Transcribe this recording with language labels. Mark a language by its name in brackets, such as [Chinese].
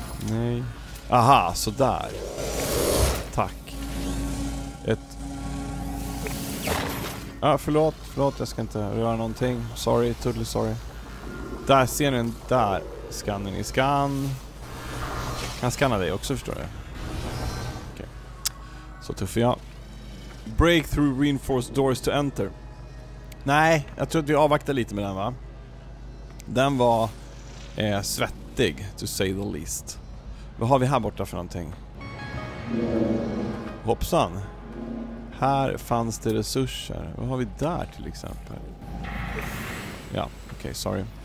[Swedish] Nej. Aha, så där. Tack. Ett... Ah, förlåt, förlåt. Jag ska inte röra någonting. [English] Sorry, totally sorry. [Swedish] Där ser ni den där scannen i scan. Kan scanna dig också, förstår jag. Okay. Så tuffar jag. [English] Breakthrough reinforced doors to enter. [Swedish] Nej, jag tror att vi avvaktar lite med den, va? Den var svettig, [English] to say the least. [Swedish] Vad har vi här borta för någonting? Hoppsan. Här fanns det resurser. Vad har vi där till exempel? Ja, okej, okay, sorry.